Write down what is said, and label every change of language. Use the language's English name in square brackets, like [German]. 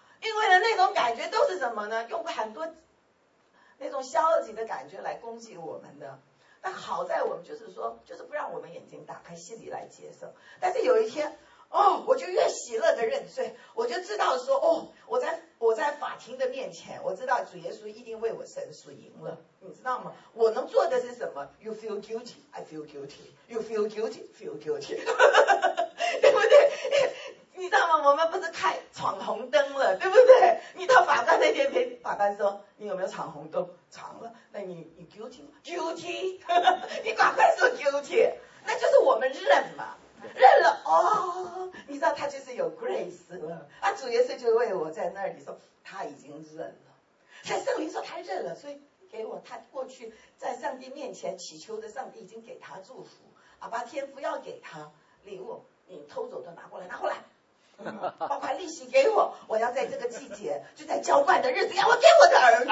[Chinese] 因为呢，那种感觉都是什么呢？用很多那种消极的感觉来攻击我们的。但好在我们就是说，就是不让我们眼睛打开，心里来接受。但是有一天，我就越喜乐的认罪，我就知道说，我在法庭的面前，我知道主耶稣一定为我胜诉赢了，你知道吗？我能做的是什么 ？ [English] You feel guilty, I feel guilty. You feel guilty, feel guilty. [Chinese] 对不对？你知道吗？我们不是开闯红灯了，对不对？你到法官那边，法官说你有没有闯红灯？闯了，那你 guilty 吗 ？Guilty， 你赶快说 guilty， 那就是我们认嘛。认了哦，你知道他就是有 grace 了啊，主耶稣就为我在那里说他已经认了，在圣灵说他认了，所以给我他过去在上帝面前祈求的，上帝已经给他祝福，阿爸天父要给他礼物，你偷走的拿过来，包括利息给我，我要在这个季节就在浇灌的日子要我给我的儿女，